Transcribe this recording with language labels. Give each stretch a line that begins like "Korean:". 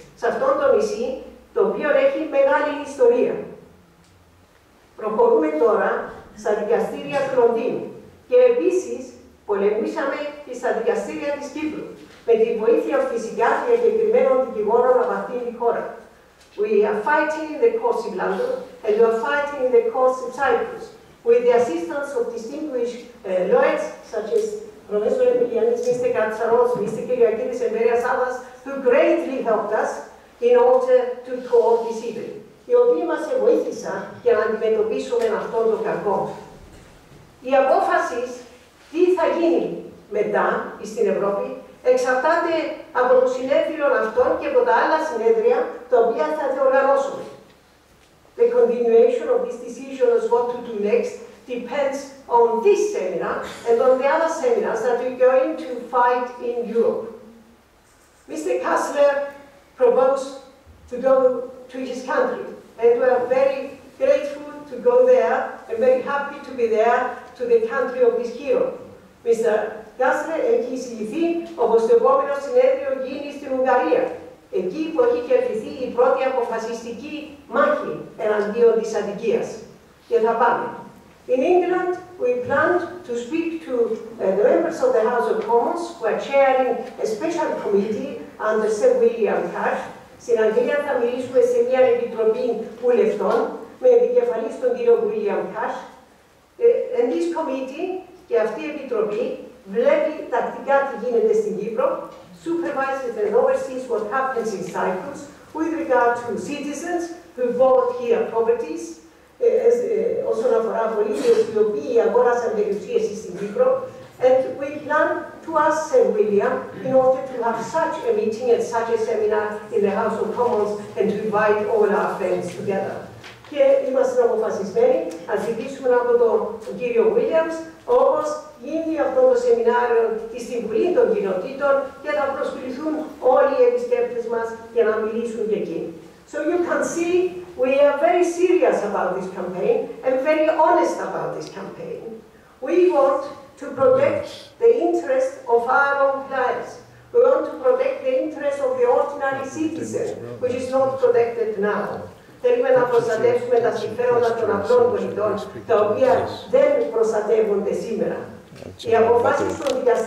Greek: Σε αυτόν τον νησί, το οποίο έχει μεγάλη ιστορία. Προχωρούμε τώρα στα δικαστήρια του Λονδίνου και επίσης πολεμήσαμε και στα δικαστήρια της Κύπρου με τη βοήθεια φυσικά και εγκεκριμένων δικηγόρων από αυτήν την χώρα.
English: We are fighting in the courts in London and we are fighting in the courts in Cyprus with the assistance of distinguished lawyers such as Professor Emilianis, Mr. Katsaros, Mr. Kyriakides and various others who greatly helped us in order to call this evening.
Greek: Οι οποίοι μας βοήθησαν για να αντιμετωπίσουμε αυτό το κακό. Οι απόφασεις τι θα γίνει μετά στην Ευρώπη, εξαρτάται από το συνέδριο αυτό και από τα άλλα συνέδρια τα οποία θα διοργανώσουμε.
English: The continuation of this decision as what to do next depends on this seminar and on the other seminars that we're going to fight in Europe. Mr. Kassler proposed to go to his country, and we are very grateful to go there and very happy to be there to the country of his hero. Mr.
Greek: Kassler έχει ηθεί όπω το επόμενο συνέδριο γίνει στην Ουγγαρία. Εκεί που έχει κερδιθεί η πρώτη αποφασιστική μάχη εναντίον της αδικίας. Και θα πάμε.
English: In England, we planned to speak to the members of the House of Commons who are chairing a special committee under Sir William Cash.
Greek: Στην Αγγλία θα μιλήσουμε σε μια επιτροπή βουλευτών με επικεφαλής τον κύριο William Cash.
English: And this committee
Greek: και αυτή η επιτροπή βλέπει τακτικά τι γίνεται στην Κύπρο,
English: supervises and oversees what happens in Cyprus with regard to citizens who bought here properties,
Greek: όσον αφορά πολίτες οι οποίοι αγόρασαν περιουσίες στην Κύπρο,
English: and we plan to ask Sir William in order to have such a meeting and such a seminar in the House of Commons and to invite all our friends together.
Greek: Και είμαστε αποφασισμένοι να ζητήσουμε από τον κύριο Williams όπως γίνει αυτό το σεμινάριο στην Βουλή των Κοινοτήτων και θα προσκληθούν όλοι οι επισκέπτες μας για να μιλήσουν και εκεί.
English: So you can see we are very serious about this campaign and very honest about this campaign. We want to protect the interest of our own clients. We want to protect the interest of the ordinary citizen, which is not protected now.
Greek: Θέλουμε να προστατεύσουμε τα συμφέροντα των απλών πολιτών, τα οποία δεν προστατεύονται σήμερα. Οι αποφάσεις των δικαστήριων